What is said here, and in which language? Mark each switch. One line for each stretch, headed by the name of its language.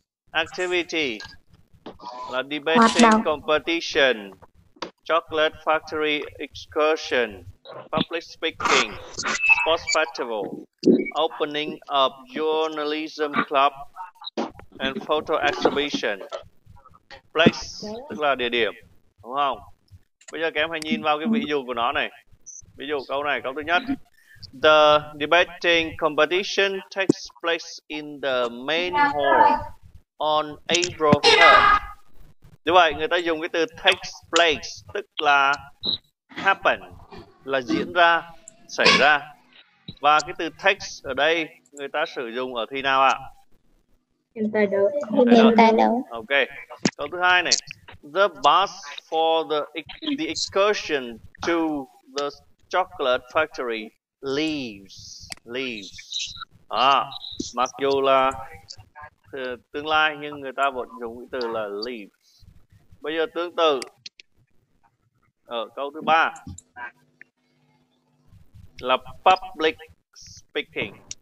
English: Activity là debating competition, chocolate factory excursion, public speaking, sports festival, opening of journalism club and photo exhibition.
Vietnamese: Place tức là địa điểm, đúng không? Bây giờ các em hãy nhìn vào cái ví dụ của nó này. Ví dụ câu này, câu thứ nhất.
English: The debating competition takes place in the main hall on April 3rd.
Vietnamese: Như vậy người ta dùng cái từ takes place tức là happen, là diễn ra, xảy ra. Và cái từ takes ở đây người ta sử dụng ở thi nào ạ? Hiện tại đâu. Ok. Câu thứ hai này.
English: The bus for the excursion to the chocolate factory leaves.
Vietnamese: À, mặc dù là tương lai nhưng người ta vẫn dùng cái từ là leaves. Bây giờ tương tự ở câu thứ ba là public speaking.